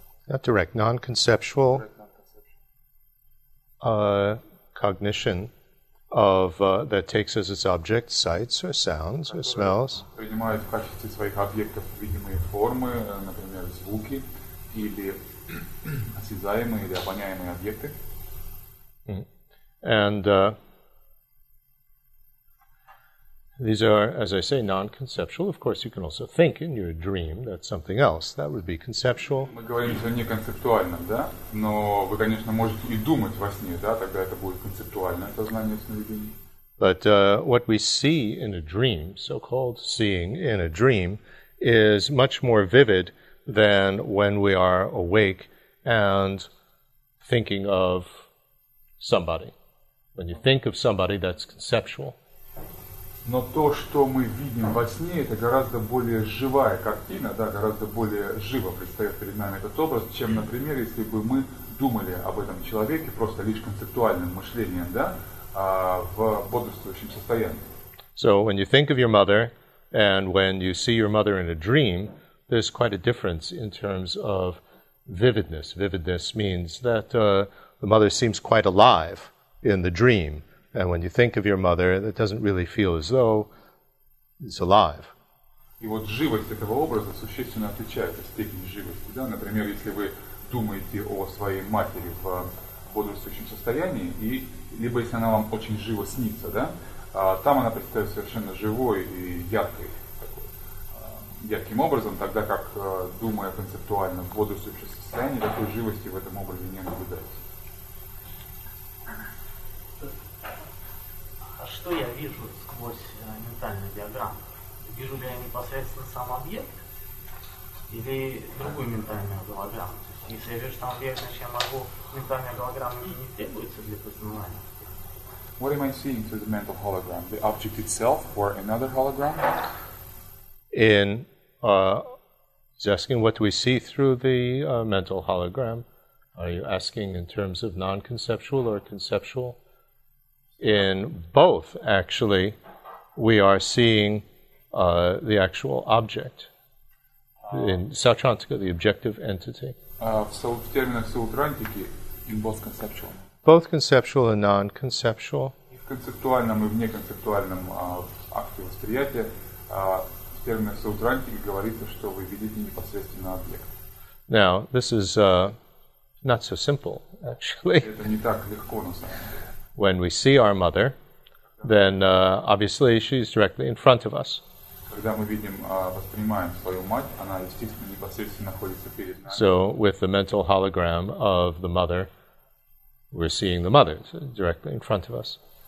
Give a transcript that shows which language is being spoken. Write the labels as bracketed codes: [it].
[en] Not direct, non-conceptual cognition of that takes as its object sights or sounds or smells. [ru] Принимает в качестве своих объектов видимые формы, например, звуки или осязаемые или обоняемые объекты. [en] And these are, as I say, non-conceptual. Of course, you can also think in your dream. That's something else. That would be conceptual. [ru] Мы говорим о неконцептуальном, да? Но вы, конечно, можете и думать во сне, да? Тогда это будет концептуальное сознание сновидений. [en] But what we see in a dream, so-called seeing in a dream, is much more vivid than when we are awake and thinking of somebody. When you think of somebody, that's conceptual. [ru] Но то, что мы видим во сне, это гораздо более живая картина, да, гораздо более живо предстает перед нами этот образ, чем, например, если бы мы думали об этом человеке просто лишь концептуальным мышлением, да, в бодрствующем состоянии. [en] So when you think of your mother and when you see your mother in a dream, there's quite a difference in terms of vividness. Vividness means that the mother seems quite alive in the dream. And when you think of your mother, it doesn't really feel as though it's alive. [ru] И вот живость этого образа существенно отличается от степени живости. Да? Например, если вы думаете о своей матери в бодрствующем состоянии, и, либо если она вам очень живо снится, да? Там она представляет совершенно живой и яркой, такой, ярким образом, тогда как, думая концептуально в бодрствующем состоянии, такой живости в этом образе не наблюдается. Что я вижу сквозь ментальную диаграмму? Вижу ли я непосредственно сам объект или другую ментальную голограмму? То есть, если я вижу там объект, значит я могу ментальная голограмма не требуется для познания. [en] What am I seeing through the mental hologram? The object itself or another hologram? In he's asking what do we see through the mental hologram? Are you asking in terms of non-conceptual or conceptual? In both, actually, we are seeing the actual object. In Сауцхантика, the objective entity. So, [ru] в терминах Сауцхантики, [en] in both conceptual. Both conceptual and non-conceptual. [ru] В концептуальном и в неконцептуальном акте восприятия, в терминах Сауцхантики говорится, что вы видите непосредственно объект. [en] Now, this is not so simple, actually. [ru] Это не так легко, на самом деле. [en] When we see our mother, then obviously she's directly in front of us. [ru] Когда мы видим, воспринимаем свою мать, она, естественно, непосредственно находится перед нами. [en] So with the mental hologram of the mother, we're seeing the mother directly in front of us.